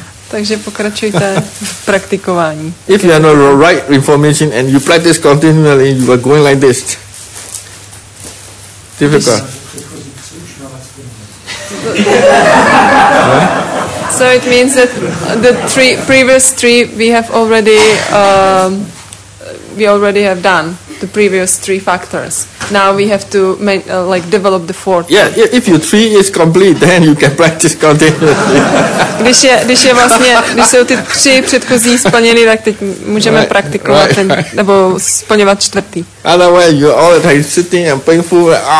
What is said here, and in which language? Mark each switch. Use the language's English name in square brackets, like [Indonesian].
[Czech] Takže pokračujte v praktikování. [English] If you have the right information and you practice continually, you are going like this. Difficult. So it means that the previous three we already have done the previous three factors. Now we have to develop the fourth. Yeah, if your three is complete, then you can practice continuously. [Czech] když jsou ty tři předchozí splněny, tak teď můžeme praktikovat nebo splňovat čtvrtý. [English] Otherwise, you're all the time sitting and painful.